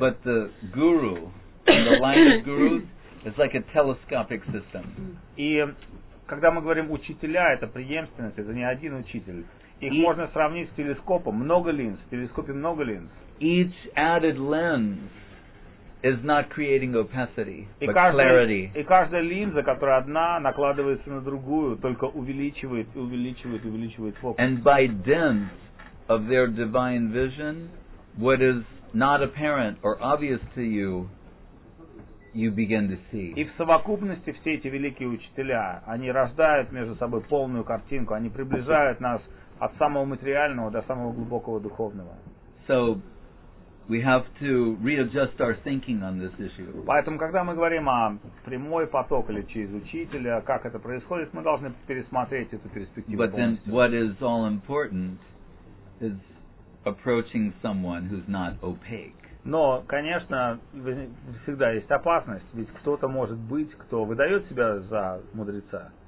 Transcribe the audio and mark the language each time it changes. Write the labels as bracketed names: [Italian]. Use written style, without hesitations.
[English] But the guru, the light of gurus, it's like a telescopic system. [Russian] И когда мы говорим учителя, это преемственность, это не один учитель. Их можно сравнить с телескопом, много линз, в телескопе много линз. [English] Each added lens is not creating opacity, but clarity. [Russian] И каждая линза, которая одна накладывается на другую, только увеличивает и увеличивает и увеличивает фокус. [English] And by dint of their divine vision, what is not apparent or obvious to you, you begin to see. [Russian] И в совокупности все эти великие учителя, они рождают между собой полную картинку, они приближают нас от самого материального до самого глубокого духовного. [English] So, we have to readjust our thinking on this issue. [Russian] Поэтому, когда мы говорим о прямой поток или через учителя, как это происходит, мы должны пересмотреть эту перспективу. [English] But then, what is all important is approaching someone who's not opaque. [Russian] Но, конечно, всегда есть опасность, ведь кто-то может быть, кто выдает себя за мудреца.